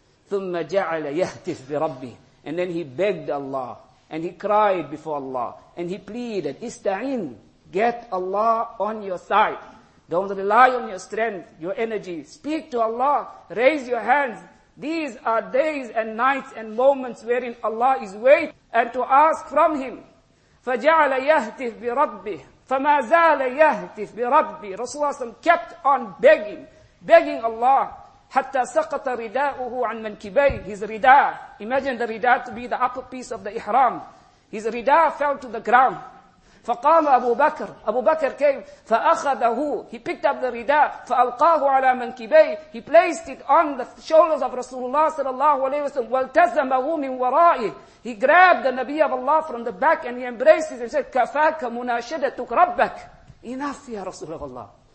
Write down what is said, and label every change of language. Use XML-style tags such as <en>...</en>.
<ar>Thumma ja'ala yahtif bi rabbi.</ar> <en>And then he begged Allah, and he cried before Allah, and he pleaded, ista'in. Get Allah on your side. Don't rely on your strength, your energy. Speak to Allah. Raise your hands. These are days and nights and moments wherein Allah is waiting and to ask from Him.</en> <ar>فَجَعَلَ يَهْتِفْ بِرَبِّهِ فَمَا زَالَ يَهْتِفْ بِرَبِّهِ</ar> <en>Rasulullah kept on begging Allah.</en> <ar>حَتَّى سَقَطَ رِدَاءُهُ عَنْ مَنْكِبَيْهِ</ar> <en>His rida. Imagine the rida to be the upper piece of the ihram. His rida fell to the ground.</en> <ar>فَقَامَ أَبُو بَكْرٍ</ar> <en>Abu Bakr came.</en> <ar>فَأَخَذَهُ</ar> <en>He picked up the rida.</en> <ar>فَأَلْقَاهُ عَلَى مَنْكِبَيْهِ</ar> <en>He placed it on the shoulders of Rasulullah sallallahu alayhi wa sallam.</en> <ar>وَالْتَزَمَهُ مِنْ وَرَائِهِ</ar> <en>He grabbed the Nabi of Allah from the back and he embraced him and said,</en> <ar>كَفَاكَ مُنَاشَدَتُكَ رَبَّكَ</ar> <en>Enough, Ya Rasul of Allah.</en>